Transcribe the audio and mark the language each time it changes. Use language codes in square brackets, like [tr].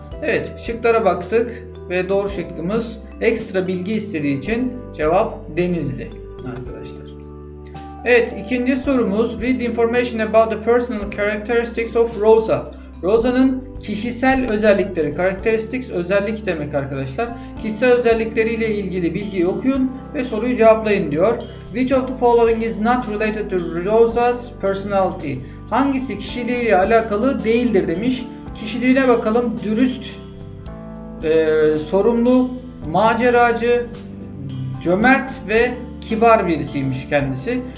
[tr] Evet, şıklara baktık ve doğru şıkkımız ekstra bilgi istediği için cevap Denizli arkadaşlar. Evet, ikinci sorumuz. [en] Read information about the personal characteristics of Rosa. [tr] Rosa'nın kişisel özellikleri, characteristics özellik demek arkadaşlar. Kişisel özellikleriyle ilgili bilgiyi okuyun ve soruyu cevaplayın diyor. [en] Which of the following is not related to Rosa's personality? [tr] Hangisi kişiliğiyle alakalı değildir demiş. Kişiliğine bakalım. Dürüst, sorumlu, maceracı, cömert ve kibar birisiymiş kendisi.